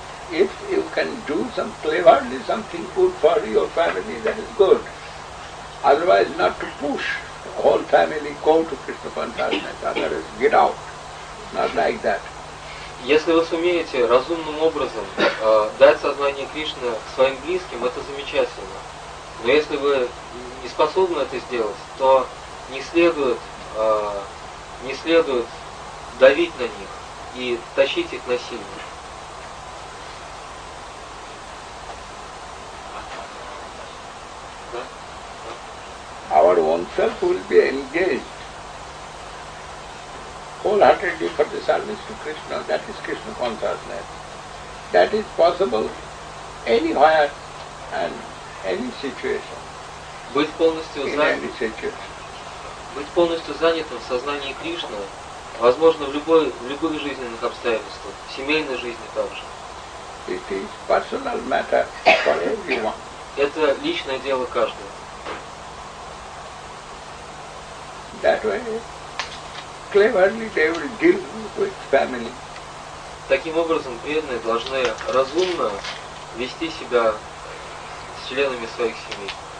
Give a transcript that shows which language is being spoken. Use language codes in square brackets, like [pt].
[en] If you can do some cleverly something good for your family, that is good. Otherwise, not to push the whole family go to Krishna consciousness. Otherwise, get out. Not like that. [ru] Если вы сумеете разумным образом дать сознание Кришны своим близким, это замечательно. Но если вы не способны это сделать, то не следует давить на них и тащить их насильно. [en] Our own self will be engaged wholeheartedly for the service to Krishna. That is Krishna consciousness. That is possible anywhere and any situation. [ru] Быть полностью занятым. Быть полностью занятым в сознании Кришны возможно в любых жизненных обстоятельствах, в семейной жизни также. [en] It is personal matter for everyone. [ru] Это личное дело каждого. [en] That way, cleverly they will deal with family. [ru] Таким образом, преданные должны разумно вести себя с членами своих семей.